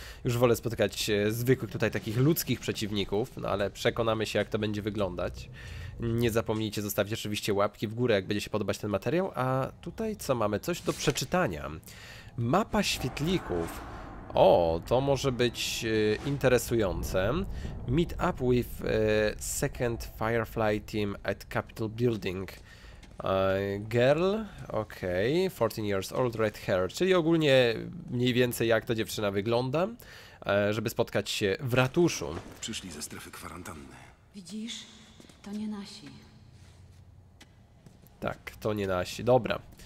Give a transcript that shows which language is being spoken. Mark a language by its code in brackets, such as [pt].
[pl] Już wolę spotkać zwykłych tutaj takich ludzkich przeciwników, no ale przekonamy się, jak to będzie wyglądać. Nie zapomnijcie zostawić oczywiście łapki w górę, jak będzie się podobać ten materiał, a tutaj co mamy? Coś do przeczytania. Mapa świetlików. O, to może być interesujące. [en] Meet up with second Firefly team at Capitol Building. Girl, okay, 14 years old, red hair. [pl] Czyli ogólnie mniej więcej jak ta dziewczyna wygląda, żeby spotkać się w ratuszu. Przyszli ze strefy kwarantanny. Widzisz, to nie nasi. Tak, to nie nasi, dobra.